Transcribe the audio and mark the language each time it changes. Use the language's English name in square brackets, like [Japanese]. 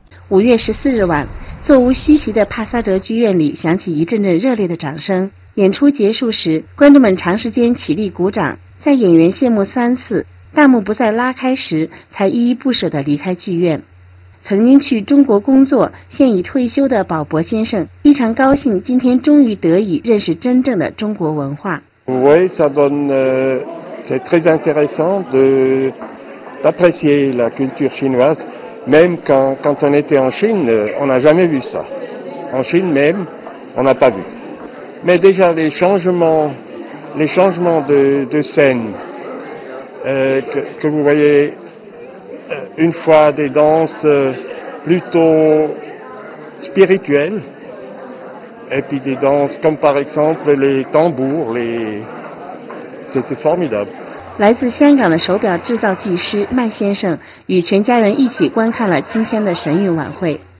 [Chinese] 5月14日晚，座无虚席的帕萨哲剧院里响起一阵阵热烈的掌声，演出结束时，观众们长时间起立鼓掌，在演员谢幕三次，大幕不再拉开时，才依依不舍地离开剧院。曾经去中国工作，现已退休的宝博先生非常高兴，今天终于得以认识真正的中国文化。 [French] Oui, ça donne, c'est très intéressant d'apprécier la culture chinoise, même quand on était en Chine, on n'a jamais vu ça. En Chine même, on n'a pas vu. Mais déjà les changements de scène que vous voyez. une fois des danses plutôt spirituelles, et puis des danses comme par exemple les tambours, c'était formidable. [Chinese] 来自香港的手表制造技师麦先生与全家人一起观看了今天的神韵晚会。